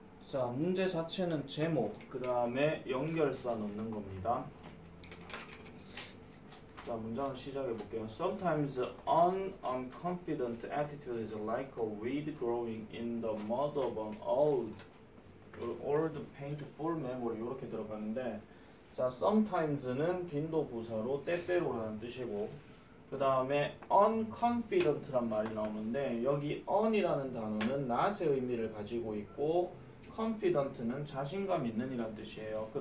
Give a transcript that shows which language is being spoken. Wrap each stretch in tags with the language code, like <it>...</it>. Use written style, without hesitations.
<ko>자, 문제 자체는 제목, 그 다음에 연결사 넣는 겁니다. 자, 문장을 시작해 볼게요.</ko> <en>Sometimes an unconfident attitude is like a weed growing in the mud of an old painful memory.</en> <ko>이렇게 들어가는데, 자, sometimes는 빈도 부사로 때때로라는 뜻이고, 그 다음에 unconfident란 말이 나오는데, 여기 un이라는 단어는 not의 의미를 가지고 있고, confident는 자신감 있는 이란 뜻이에요.</ko>